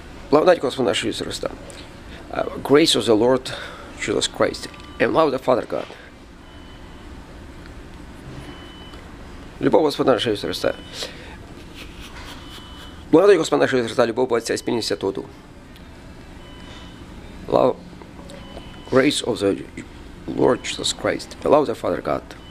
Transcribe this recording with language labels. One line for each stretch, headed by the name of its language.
Russian: Благодать Господа нашего Иисуса Христа.
English: Grace of the Lord Jesus Christ and love the Father God.
Russian: Любовь Господа нашего Иисуса Христа. Благодать Господа нашего Иисуса Христа, любовь Отца и Спиритуса Святого.
English: Grace of the Lord Jesus Christ and love the Father God.